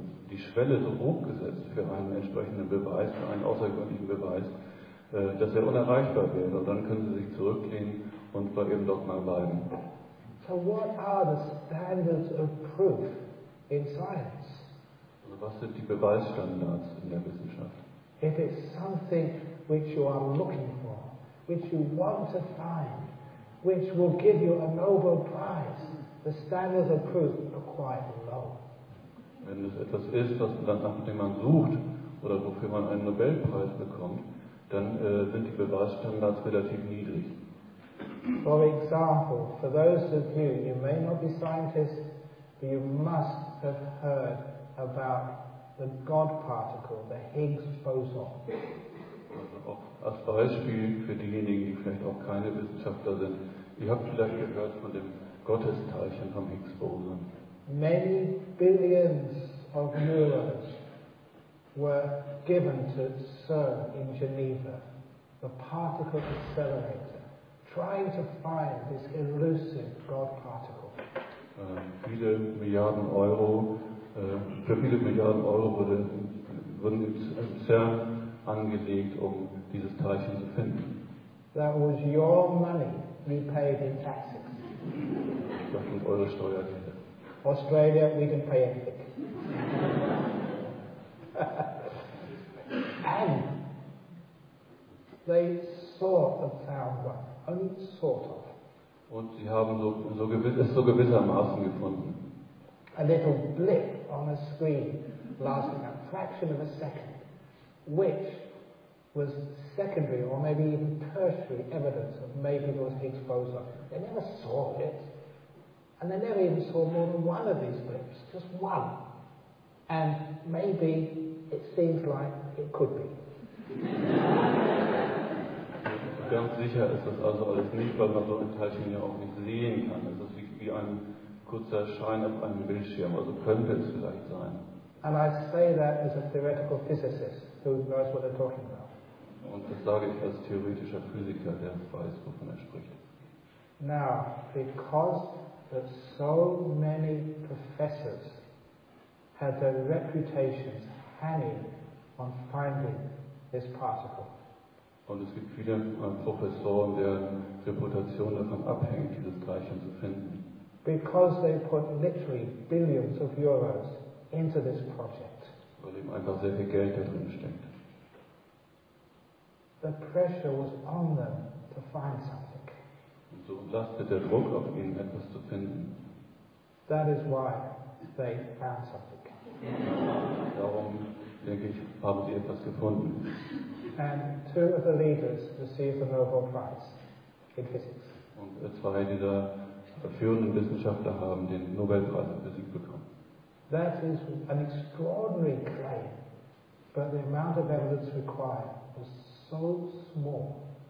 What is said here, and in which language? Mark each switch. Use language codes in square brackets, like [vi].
[de] die Schwelle so hoch gesetzt für einen entsprechenden Beweis, für einen außergewöhnlichen Beweis, dass er unerreichbar wäre. Und dann können Sie sich zurücklehnen und bei Ihrem Dogma bleiben. [en] So what are the standards of proof in science? [de] Also was sind die Beweisstandards in der Wissenschaft? [en] If it's something which you are looking for, which you want to find, which will give you a Nobel Prize, the standards of proof are quite low. [de] Wenn es etwas ist, was man, nach dem man sucht oder wofür man einen Nobelpreis bekommt, dann sind die Beweisstandards relativ niedrig. [en] For example, for those of you, you may not be scientists, but you must have heard about the God particle, the Higgs boson. [de] Als Beispiel für diejenigen, die vielleicht auch keine Wissenschaftler sind, ihr habt vielleicht gehört von dem Gottesteilchen vom Higgs boson. [en] Many billions of euros were given to CERN in Geneva, the particle accelerator, trying to find this elusive God particle. [de] Viele Milliarden Euro, für viele Milliarden Euro wurden im CERN angelegt, um dieses Teilchen zu finden. [en] That was your money you paid in taxes. [de] Das sind eure Steuergelder. [en] Australia, we can pay anything. And they sort of found one, only sort of. [de] Und sie haben so gewissermaßen gefunden. [en] A little blip on a screen lasting a fraction of a second, which was secondary or maybe even tertiary evidence of maybe it was Higgs boson. They never saw it. And they never even saw more than one of these blips, just one. And maybe it seems like it could be. [de] Ganz sicher ist das also alles nicht, weil man so ein Teilchen ja auch nicht sehen kann. Es ist wie ein kurzer Schein auf einem Bildschirm, also könnte es vielleicht sein. [en] And I say that as a theoretical physicist who knows what they're talking about. [de] Und das sage ich als theoretischer Physiker, der weiß, wovon er spricht. [en] Now, because that so many professors had their reputations hanging on finding this particle. [de] Und es gibt viele Professoren, deren Reputation davon abhängt, dieses Teilchen zu finden. [en] Because they put literally billions of euros into this project. [de] Weil eben einfach sehr viel Geld da drin steckt. [en] The pressure was on them to find something. [de] So lastet der Druck auf ihnen, etwas zu finden. [en] That is why they found something. [de] Darum, denke ich, haben sie etwas gefunden. [en] And two of the leaders received the Nobel Prize in Physics. [de] Und zwei dieser führenden Wissenschaftler haben den Nobelpreis in Physik bekommen. [en] That is an extraordinary claim, but the amount of evidence required was so small.